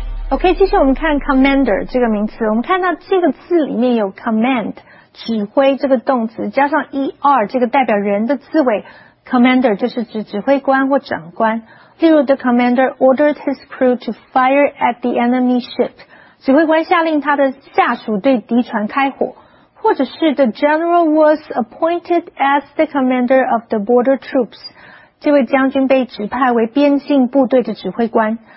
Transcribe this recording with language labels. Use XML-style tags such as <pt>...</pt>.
<zh>Okay, 其实我们看 commander 这个名词, 我们看到这个字里面有 command 指挥这个动词加上 er 这个代表人的字尾, Commander 就是指挥官或长官. 例如,</zh> <en>the commander ordered his crew to fire at the enemy ship.</en> <zh>指挥官下令他的下属对敌船开火. 或者是,</zh> <en>the general was appointed as the commander of the border troops.</en> <zh>这位将军被指派为边境部队的指挥官.</zh>